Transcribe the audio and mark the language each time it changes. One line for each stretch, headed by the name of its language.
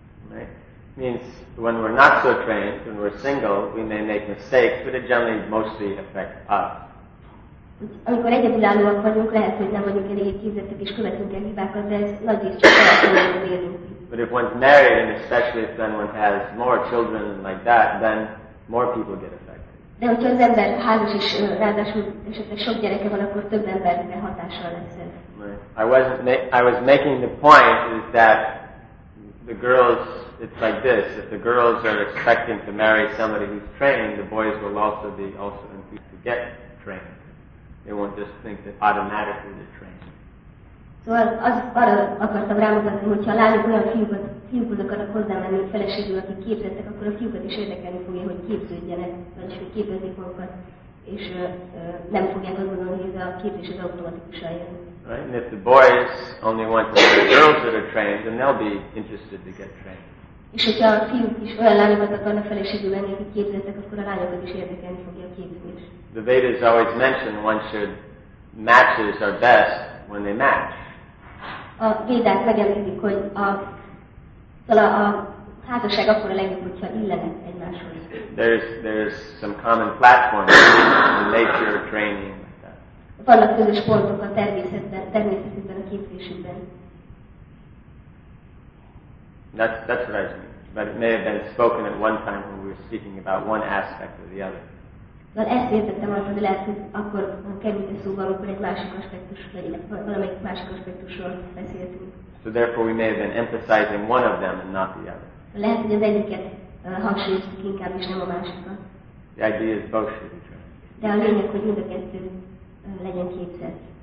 English: Right? Means when we're not so trained, when we're single, we may make mistakes, but it generally mostly affects us.
Hungarian: Amikor egyedülállóak vagyunk, lehet, hogy nem vagyunk eléggé képzettek és követünk el hibákat, de ez nagy és csak felállóan érünk.
English: But if one's married, and especially if then one has more children like that, then more people get affected.
Hungarian: De hogyha az ember házas és ráadásul esetleg sok gyereke van, akkor több emberre hatással lesz ez.
English: I was making the point is that the girls, it's like this, if the girls are expecting to marry somebody who's trained, the boys will also be also enthused to get trained. They won't just think that automatically they're trained.
Hungarian: So az arra akartam rámutatni, hogy ha lányok olyan fiúkat akarnak hozzámenni, hogy feleségül, akik képzettek, akkor a fiúkat is érdekelni fogja, hogy képződjenek, vagyis hogy képezzék magukat, és nem fogják azt gondolni, hogy ez a képzés az automatikusan jön.
English: Right? And if the boys only want to see the girls that are trained, then they'll be interested to get trained.
Hungarian: És hogyha a fiúk is olyan lányokat akarnak feleségül venni, akik képzettek, akkor a lányokat is érdekelni fogja a képzés.
English: The Vedas always mention one should matches are best when they match.
Hungarian: A Védák megemlítik, hogy a házasság akkor a legjobb, hogyha illenek egymáshoz.
English: There's some common platforms in nature training like that.
Hungarian: Vannak közös pontok a természetben a képzésükben.
English: That's what I mean. But it may have been spoken at one time when we were speaking about one aspect or the other.
Hungarian: Na, ezt értettem arra, hogy lehet, hogy akkor kerül a szóba, amikor egy másik aspektus, valamelyik másik aspektusról beszéltünk.
English: So therefore we may have been emphasizing one of them and not the other.
Hungarian: Lehet, hogy az egyiket hangsúlyoztuk inkább, és nem a másikat.
English: The idea is both should be true.
Hungarian: De a lényeg, hogy mind a kettő legyen képzett.